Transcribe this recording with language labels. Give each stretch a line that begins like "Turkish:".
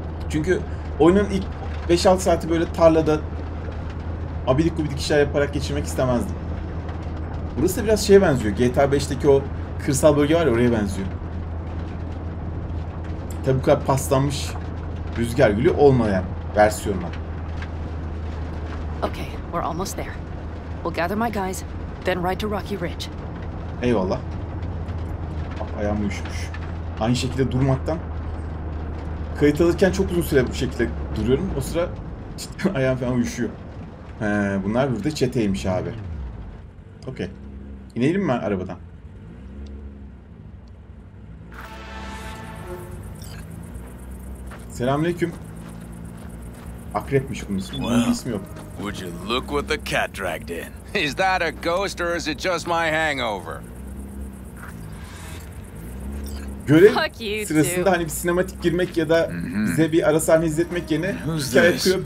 Turkish: Çünkü oyunun ilk 5-6 saati böyle tarlada abidik gubidik işler yaparak geçirmek istemezdim. Burası da biraz şeye benziyor. GTA 5'teki o kırsal bölge var ya oraya benziyor. Tabi bu kadar paslanmış rüzgar gülü olmayan versiyonlar.
English: Okay, we're almost there. We'll gather my guys, then ride to Rocky Ridge.
Turkish: Eyvallah. Bak ayağım uyuşmuş. Aynı şekilde durmaktan. Kayıt alırken çok uzun süre bu şekilde duruyorum. O sıra ayağım falan uyuşuyor. Bunlar burada çeteymiş abi. Okay. İnelim mi arabadan? Selamünaleyküm. Akrepmiş bunun ismi. Bunun ismi yok.
English: Would you look what the cat dragged in? Is that a ghost or is it just my hangover?
Turkish: Görev sırasında hani bir sinematik girmek ya da bize bir ara sahne izletmek yerine hikaye akıyor.